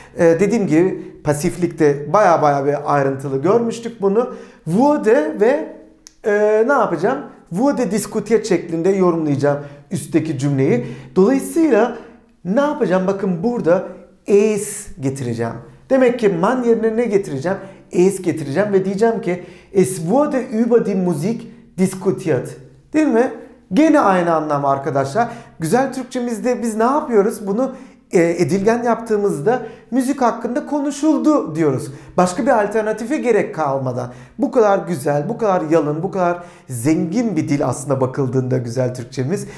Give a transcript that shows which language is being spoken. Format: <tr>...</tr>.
<tr>Dediğim gibi pasiflikte baya baya bir ayrıntılı görmüştük bunu. Wurde ve ne yapacağım?</tr> <de>Wurde diskutiert</de> <tr>şeklinde yorumlayacağım üstteki cümleyi. Dolayısıyla ne yapacağım? Bakın burada es getireceğim. Demek ki man yerine ne getireceğim? Es getireceğim ve diyeceğim ki</tr> <de>es wurde über die Musik diskutiert.</de> <tr>Değil mi? Gene aynı anlam arkadaşlar. Güzel Türkçemizde biz ne yapıyoruz? Bunu edilgen yaptığımızda müzik hakkında konuşuldu diyoruz. Başka bir alternatife gerek kalmadan. Bu kadar güzel, bu kadar yalın, bu kadar zengin bir dil aslında bakıldığında güzel Türkçemiz.</tr>